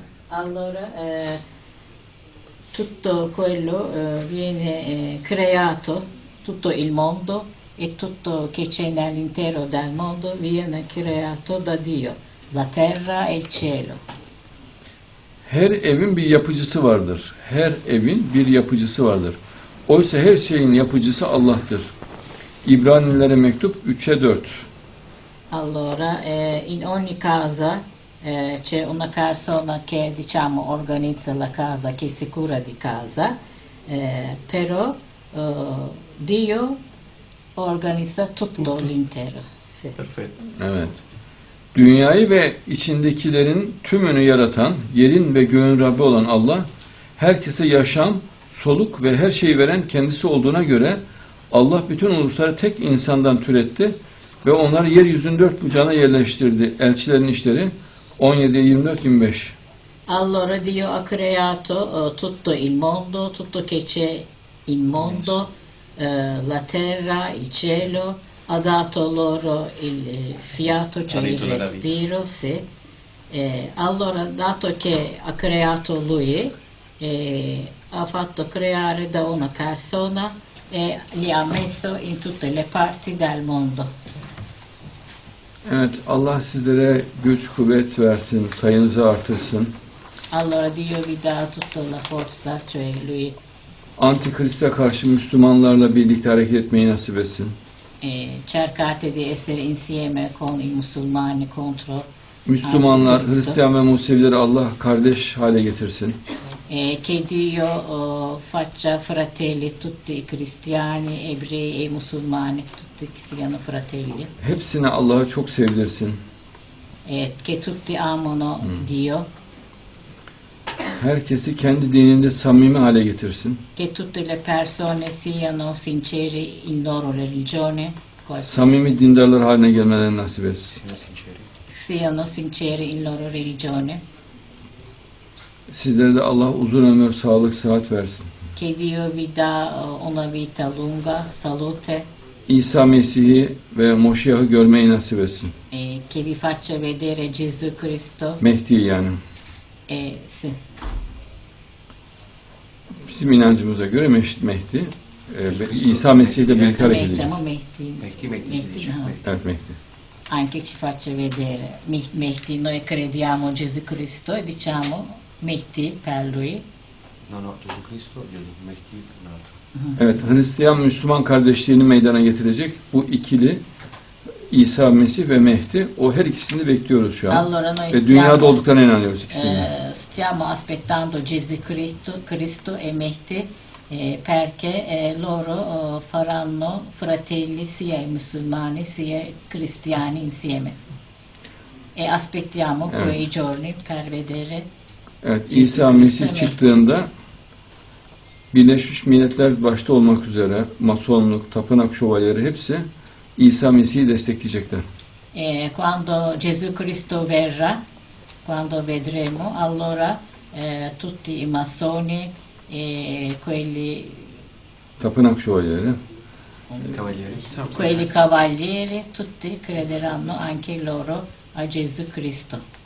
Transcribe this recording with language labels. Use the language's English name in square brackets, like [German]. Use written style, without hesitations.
[Italian] Allora, tutto quello viene creato, tutto il mondo e tutto che c'è nell'intero del mondo viene creato da Dio, la terra e il cielo. [Turkish] Her evin bir yapıcısı vardır. Her evin bir yapıcısı vardır. Oysa her şeyin yapıcısı Allah'tır. İbranilere mektup 3'e 4. [Italian] Allora, in ogni casa c'è una persona che, diciamo, organizza la casa, che si cura di casa, però Dio organizza tutto l'intero. Sì. Perfetto. [Turkish] Evet. Dünyayı ve içindekilerin tümünü yaratan, yerin ve göğün Rabbi olan Allah, herkese yaşam, soluk ve her şeyi veren kendisi olduğuna göre, Allah bütün ulusları tek insandan türetti ve onları yeryüzünün dört bucağına yerleştirdi. Elçilerin işleri 17-24-25. [Italian] Allora Dio ha creato tutto il mondo, tutto che c'è il mondo, la terra, il cielo, ha dato loro il fiato, cioè il respiro, sì. Allora, dato che ha creato lui, ha fatto creare da una persona e li ha messo in tutte le parti del mondo. [Turkish] Evet, Allah sizlere güç kuvvet versin, sayınızı artırsın. [Italian] Allora Dio vi dà tutta la forza, cioè lui. [Turkish] Antikrist'e karşı Müslümanlarla birlikte hareket etmeyi nasip etsin. [Italian] Cercate di essere insieme con i musulmani contro [Turkish] Müslümanlar, Hristiyan ve Musevileri Allah kardeş hale getirsin. [Italian] Che Dio faccia fratelli tutti i cristiani, ebrei e musulmani, tutti i cristiani fratelli. [Turkish] Hepsini Allah'ı çok sevdirsin. [Italian] Che tutti amano Dio. [Turkish] Herkesi kendi dininde samimi hale getirsin. [Italian] Che tutte le persone siano sinceri in loro religione. [Turkish] Samimi dindarlar haline gelmelerini nasip etsin. [Italian] Siano sinceri in loro religione. [Turkish] Sizlere de Allah uzun ömür, sağlık, sıhhat versin. [Italian] Che Dio vi dà una vita lunga, salute. [Turkish] İsa Mesih'i ve Moşiyah'ı görmeyi nasip etsin. [Italian] Che vi faccia vedere Gesù Cristo. [Turkish] Mehdi yani. [Italian] Sì. [Turkish] Bizim inancımıza göre Mehdi, İsa Mesih ile birlikte hareket edecek. Mehdi. Evet, Mehdi. [Italian] Anche ci faccia vedere Mehdi, noi crediamo Gesù Cristo e diciamo Mehdi per lui. No, Gesù Cristo, Mehdi un altro. [Turkish] Evet, Hristiyan Müslüman kardeşliğini meydana getirecek bu ikili İsa Mesih ve Mehdi, o her ikisini bekliyoruz şu an. [Italian] Allora, [Turkish] ve dünyada olduklarına inanıyoruz ikisini. [Italian] Stiamo aspettando Gesù Cristo, Cristo e Mehdi perché loro faranno fratelli sia i musulmani sia i cristiani insieme. E aspettiamo quei evet. giorni per vedere. [Turkish] Evet, İsa Mesih Mehdi. Çıktığında Birleşmiş Milletler başta olmak üzere Masonluk, Tapınak Şövalyeleri hepsi İsa Mesih'i destekleyecekler. [Italian] Quando Gesù Cristo verrà, quando vedremo, allora tutti i massoni e quelli [Turkish] Tapınak Şövalyeleri, [Italian] quelli cavalieri, tutti crederanno anche loro a Gesù Cristo.